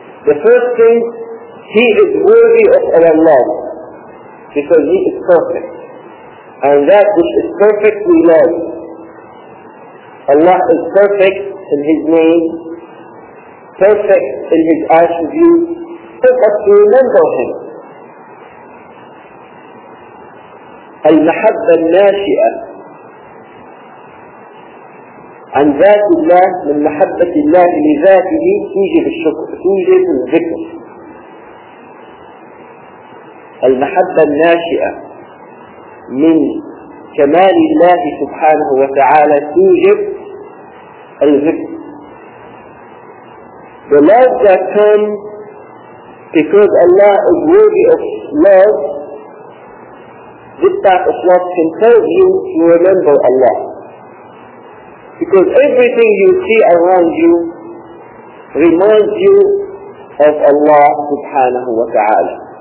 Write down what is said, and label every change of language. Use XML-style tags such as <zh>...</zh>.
<en>The first thing, He is worthy of our love because He is perfect. And that which is perfect we love. Allah is perfect in His name, perfect in His attributes, help us to remember Him.</en> <ar>المحبة الناشئة عن ذات الله من محبة الله لذاته توجب الشكر توجب الذكر. المحبة الناشئة من كمال الله سبحانه وتعالى توجب الذكر.</ar> <en>The love that comes because Allah is worthy of love, this type of love can tell you to remember Allah. Because everything you see around you reminds you of Allah subhanahu wa ta'ala.</en>